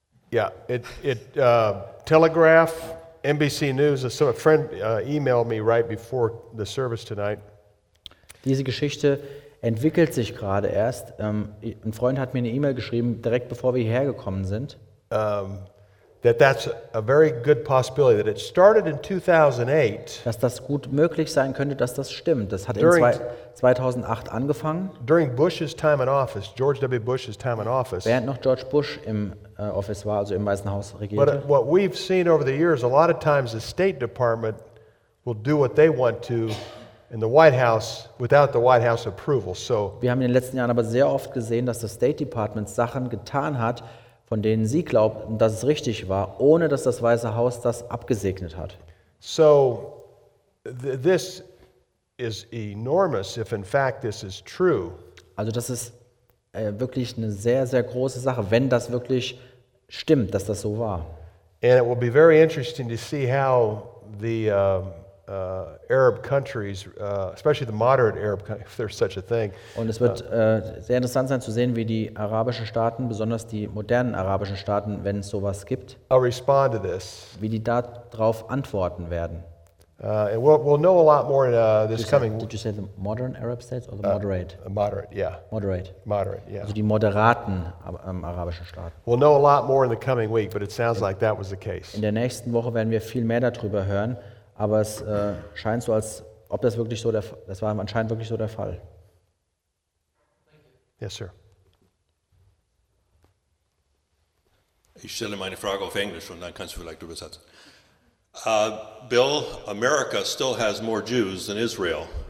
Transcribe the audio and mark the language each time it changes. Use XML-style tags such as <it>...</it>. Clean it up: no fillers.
<en>Yeah, it Telegraph NBC News, so a friend emailed me right before the service tonight.</en> <de>Diese Geschichte entwickelt sich gerade erst. Ein Freund hat mir eine E-Mail geschrieben, direkt bevor wir hierher gekommen sind.</de> <en>That's a very good possibility that it started in 2008.</en> <de>Dass das gut möglich sein könnte, dass das stimmt. Das hat</de> <en>during,</en> <de>in 2008 angefangen.</de> <en>During Bush's time in office, George W. Bush's time in office.</en> <de>Während noch George Bush im Office war, also im Weißen Haus regierte.</de> <en>But what we've seen over the years, a lot of times the State Department will do what they want to in the White House without the White House approval. So</en> <de>wir haben in den letzten Jahren aber sehr oft gesehen, dass das State Department Sachen getan hat, von denen sie glaubten, dass es richtig war, ohne dass das Weiße Haus das abgesegnet hat.</de> <en>So, this is enormous, if in fact this is true.</en> <de>Also das ist wirklich eine sehr, sehr große Sache, wenn das wirklich stimmt, dass das so war.</de> <en>And it will be very interesting to see how the Arab countries, especially the moderate Arab countries, if there's such a thing.</en> <de>Und es wird sehr interessant sein zu sehen, wie die arabischen Staaten, besonders die modernen arabischen Staaten, wenn es sowas gibt,</de> <en>respond to this.</en> <de>Wie die darauf antworten werden.</de> <en>And we'll know a lot more this did coming. Did you say the modern Arab states or the moderate? Moderate, yeah. Moderate. Moderate, yeah.</en> <de>Also die moderaten arabischen Staaten.</de> <en>We'll know a lot more in the coming week, but it sounds like that was the case.</en> <de>In der nächsten Woche werden wir viel mehr darüber hören. Aber es scheint so, als ob das wirklich so der Fall, das war anscheinend wirklich so der Fall.</de> <en>Yes, sir.</en> <de>Ich stelle meine Frage auf Englisch und dann kannst du vielleicht übersetzen.</de> <en>Bill, America still has more Jews than Israel.</en>